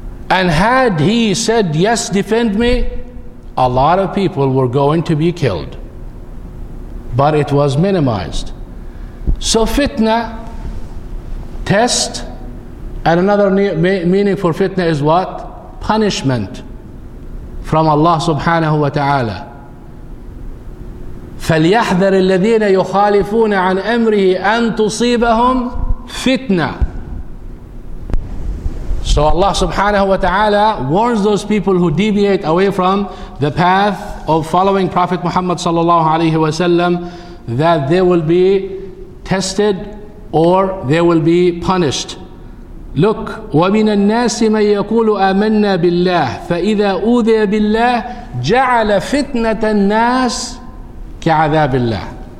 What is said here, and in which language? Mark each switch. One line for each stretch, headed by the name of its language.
English: And had he said, "Yes, defend me," a lot of people were going to be killed. But it was minimized. So fitna, test, and another meaning for fitna is what? Punishment from Allah subhanahu wa ta'ala.
Arabic: فليحذر الذين يخالفون عن أمره أن تصيبهم فتنة.
English: So Allah subhanahu wa ta'ala warns those people who deviate away from the path of following Prophet Muhammad sallallahu alayhi wa sallam that they will be tested or they will be punished.
Arabic: Look, وَمِنَ النَّاسِ مَنْ يَقُولُ آمَنَّا بِاللَّهِ فَإِذَا أُوذِيَ بِاللَّهِ جَعَلَ فِتْنَةَ النَّاسِ كَعَذَابِ اللَّهِ.